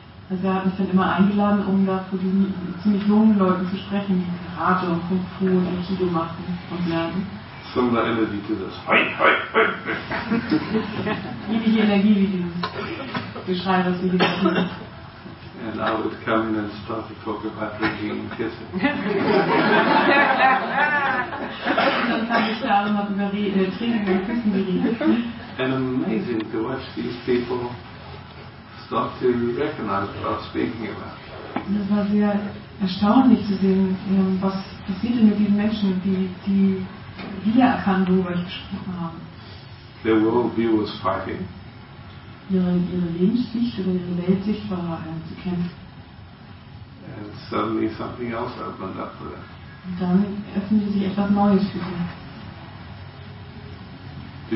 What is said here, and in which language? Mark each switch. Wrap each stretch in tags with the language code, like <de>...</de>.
<de>Also er hat mich dann immer eingeladen, um da vor diesen ziemlich jungen Leuten zu sprechen, die Karate und Kung Fu und Aikido machen und lernen.</de> <en>Similar energy to this. Hoi, hoi, hoi.</en> <de>Ähnliche Energie wie dieses Geschrei, was wir hier machen.</de> <en>And I would come in and start to talk about drinking and kissing.</en> <de>Und dann fand ich da immer über Trinken und Küssen geredet.</de> <en>And amazing to watch these people start to recognize what I was speaking about.</en> <de>Das war sehr erstaunlich zu sehen, was passiert mit diesen Menschen, die wiedererkannt, worüber ich gesprochen habe.</de> <en>Their worldview was fighting.</en> <de>Ihre Lebenssicht oder ihre Weltsicht war zu kämpfen.</de> <en>And suddenly something else opened up for them.</en> <de>Und dann öffnete sich etwas Neues für sie.</de>